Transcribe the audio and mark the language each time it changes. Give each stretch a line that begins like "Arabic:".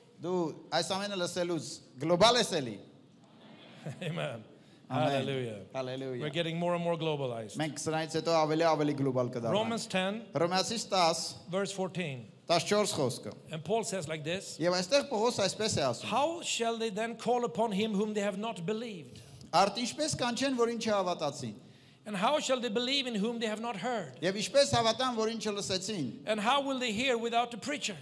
Armenian: Դու այս ամենը լսելուց գլոբալ ես էլի?
English: Amen. Hallelujah. Hallelujah. We're getting more and more globalized.
Armenian: Մենք սրանից հետո ավելի ավելի գլոբալ կդառնանք.
English: Romans 10.
Armenian: Ռոմեացի 10.
English: Verse 14.
Armenian: 14 խոսքը.
English: And Paul says like this.
Armenian: Եվ այստեղ Պողոս այսպես է ասում.
English: How shall they then call upon him whom they have not believed?
Armenian: Արդ ինչպես կանչեն, որ ինչ հավատացին?
English: And how shall they believe in whom they have not heard? And how will they hear without a preacher?